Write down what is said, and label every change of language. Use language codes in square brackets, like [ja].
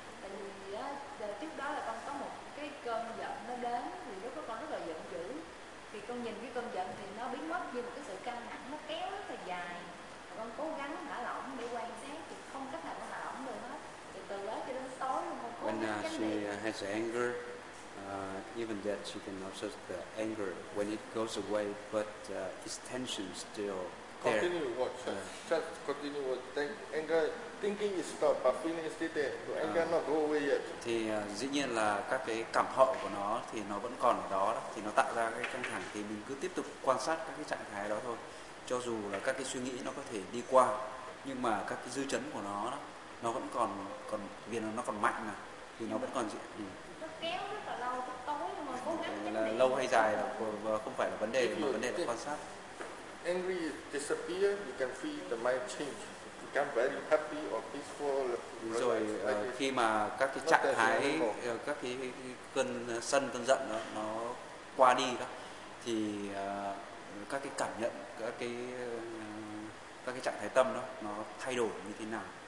[vi] Tại vì trước đó là con có một cái cơn giận nó đến thì lúc đó con rất là giận dữ. Thì con nhìn cái cơn giận thì nó biến mất nhưng mà cái sự căng thẳng nó kéo rất là dài. Con cố gắng thả lỏng để quan sát thì không cách nào con thả lỏng được hết. Thì từ đó cho đến tối luôn con cố gắng chánh niệm. [en] When she has anger, even that she can observe the anger when it goes away, but its tension still there. Continue watch. Just continue watch. Anger, thinking is stopped, but feeling is still there. The anger not go away yet. [vi] Thì dĩ nhiên là các cái cảm thọ của nó thì nó vẫn còn ở đó. Thì nó tạo ra cái căng thẳng thì mình cứ tiếp tục quan sát các cái trạng thái đó thôi. Cho dù là các cái suy nghĩ nó có thể đi qua nhưng mà các cái dư chấn của nó đó, nó vẫn còn còn vì nó còn mạnh mà thì nó vẫn còn gì? Nó kéo rất là lâu, tối nhưng mà cố gắng là lâu hay dài là không phải là vấn đề mà vấn đề là quan sát. [en] Angry disappear, you can feel the mind change, become very happy or peaceful. [vi] Rồi khi mà các cái trạng thái, các cái cơn sân cơn giận đó nó qua đi đó thì các cái cảm nhận, các cái trạng thái tâm đó nó thay đổi như thế nào?